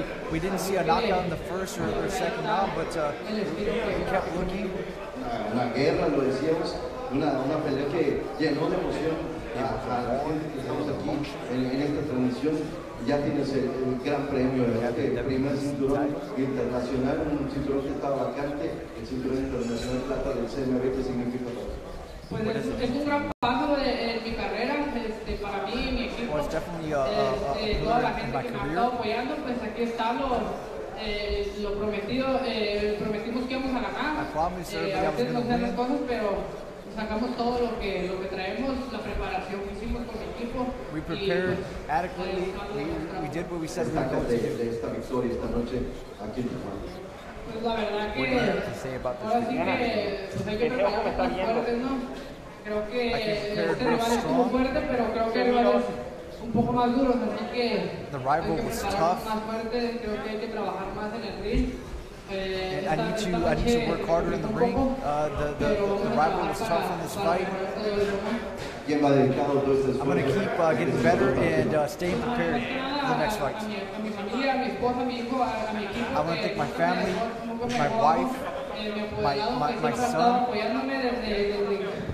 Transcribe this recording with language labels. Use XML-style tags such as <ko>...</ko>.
<en>We didn't see a knockout in the first or second round, but we kept looking.</en> <es>Una guerra, lo decíamos, una pelea que llenó de emoción a la gente que estamos aquí en esta transmisión. Ya tienes el gran premio, el primer cinturón internacional, un cinturón que estaba vacante, el cinturón internacional plata del CMB, que significa todo. Pues es un gran paso en mi carrera, para mí y mi equipo.</es> <en>Well,</en> <es>toda la gente que me ha estado apoyando, pues aquí está lo prometido. Prometimos que íbamos a ganar. A veces no sean las cosas, pero sacamos todo lo que traemos, la preparación que hicimos con mi equipo.</es> <en>We prepared adequately. We did what we said we were going to do.</en> <es>Esta victoria esta noche aquí en Tijuana. Pues la verdad que ahora sí que pues hay que prepararnos fuertes, ¿no? Creo que este rival es muy fuerte, pero creo que el rival es un poco más duro, así que</es> <en>the rival</en> <es>hay que prepararnos más fuerte, creo que hay que trabajar más en el ring.</es> <en>I need to work harder in the ring. The rival was tough in this fight. I'm going to keep getting better and staying prepared for the next fight. I want to thank my family, my wife, my son.</en>